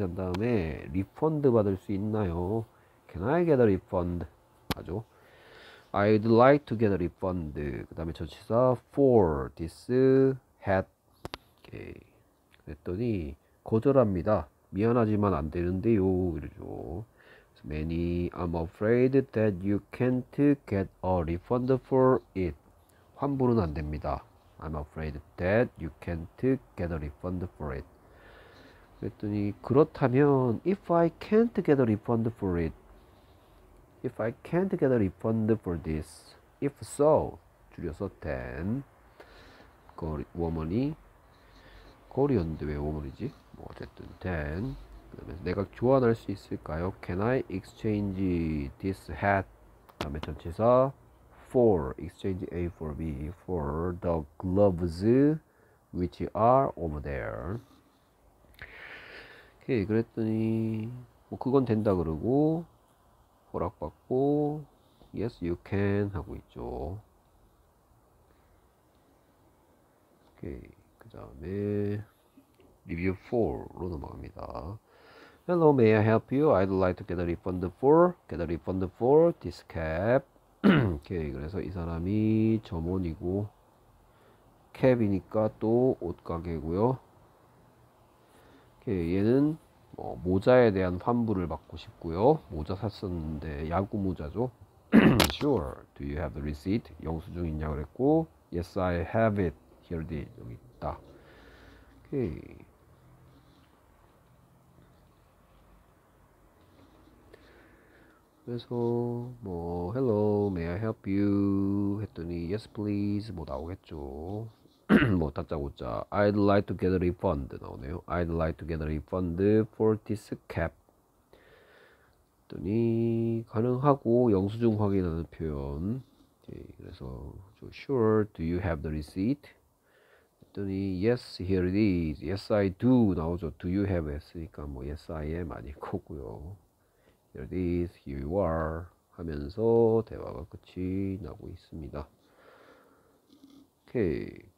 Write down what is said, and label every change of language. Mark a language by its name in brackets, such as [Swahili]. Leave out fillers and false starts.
[Korean] 한 다음에 리펀드 받을 수 있나요? [English] Can I get a refund? 하죠. I'd like to get a refund. [Korean] 그 다음에 전치사 [English] for this hat. [Korean] 오케이. 그랬더니 거절합니다. 미안하지만 안 되는데요. 이러죠. [English] Many, I'm afraid that you can't get a refund for it. [Korean] 환불은 안 됩니다. [English] I'm afraid that you can't get a refund for it. [Korean] 그랬더니 그렇다면 [English] if I can't get a refund for it, if I can't get a refund for this, if so, [Korean] 줄여서 [English] then, [Korean] 거리 워머니 거리였는데 왜 워머니지? 뭐 어쨌든 then. 그다음에 내가 교환할 수 있을까요? [English] Can I exchange this hat? [Korean] 그다음에 전치사 [English] for exchange A for B for the gloves which are over there. [Korean] 오케이. 그랬더니 뭐 그건 된다 그러고 허락받고 [English] yes you can [Korean] 하고 있죠. 오케이. 그다음에 리뷰 4로 넘어갑니다. [English] Hello, may I help you? I'd like to get a refund for this cab. [Korean] 오케이. 그래서 이 사람이 점원이고 캡이니까 또 옷가게고요. 오케이. 얘는 모자에 대한 환불을 받고 싶고요. 모자 샀었는데 야구 모자죠. [English] Sure. Do you have the receipt? [Korean] 영수 증 있냐 그랬고 [English] Yes, I have it. Here it is. [Korean] 여기 있다. 오케이. 그래서 뭐 [English] Hello, may I help you? [Korean] 했더니 [English] Yes, please. [Korean] 뭐 나오겠죠. 뭐 다짜고짜 [English] I'd like to get a refund [Korean] 나오네요. [English] I'd like to get a refund for this cab. [Korean] 했더니 가능하고 영수증 확인하는 표현. [English] 오케이, 그래서 Sure, do you have the receipt? 했더니 Yes, here it is. Yes, I do 나오죠. Do you have [Korean] 했으니까 뭐 [English] Yes, I am [Korean] 아닐 거고요. [English] Here it is, here you are [Korean] 하면서 대화가 끝이 나고 있습니다. 오케이.